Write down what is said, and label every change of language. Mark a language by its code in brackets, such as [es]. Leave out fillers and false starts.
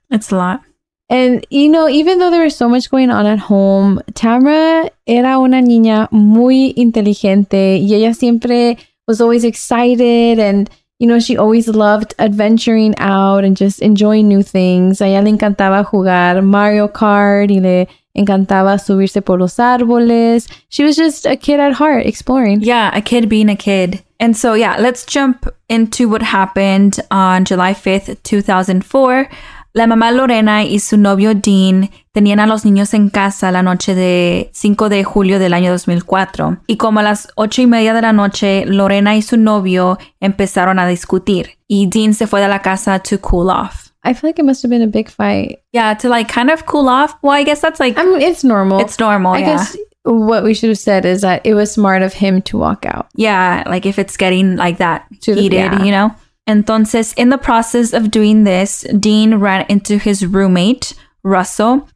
[en] It's a lot. And, you know, even though there was so much going on at home, Tamra [es] era una niña muy inteligente y ella siempre [en] was always excited, and, you know, she always loved adventuring out and just enjoying new things. [es] A ella le encantaba jugar Mario Kart y le encantaba subirse por los árboles. [en] She was just a kid at heart, exploring. Yeah, a kid being a kid. And so, yeah, let's jump into what happened on July 5th, 2004. [es] La mamá Lorena y su novio Dean tenían a los niños en casa la noche de 5 de julio del año 2004. Y como a las 8:30 de la noche, Lorena y su novio empezaron a discutir. Y Dean se fue de la casa [en] to cool off. I feel like it must have been a big fight. Yeah, to like kind of cool off. Well, I guess that's like... I mean, it's normal. It's normal, I guess what we should have said is that it was smart of him to walk out. Yeah, like if it's getting like that heated, you know? Entonces, in the process of doing this, Dean ran into his roommate, Russell.